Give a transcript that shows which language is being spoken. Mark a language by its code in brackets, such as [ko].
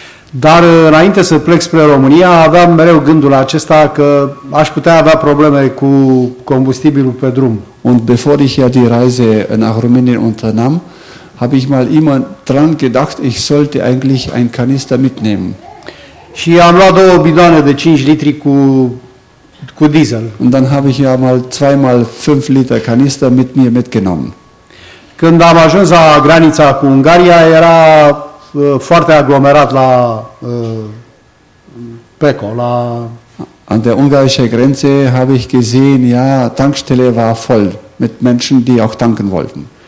[ro] Dar înainte să plec spre România, aveam mereu gândul acesta că aș putea avea probleme cu combustibilul pe drum. [de] Und bevor ich ja die Reise nach Rumänien unternahm, habe ich mal immer dran gedacht, ich sollte eigentlich ein Kanister mitnehmen. [ro] Și am luat două bidoane de 5 litri cu diesel. [de] Und dann habe ich ja mal zweimal 5 Liter Kanister mit mir mitgenommen. [ro] Când am ajuns la granița cu Ungaria, era foarte aglomerat la Peco, la... [de] An der ungarische Grenze habe ich gesehen, ja, Tankstelle war voll mit Menschen, die auch tanken wollten.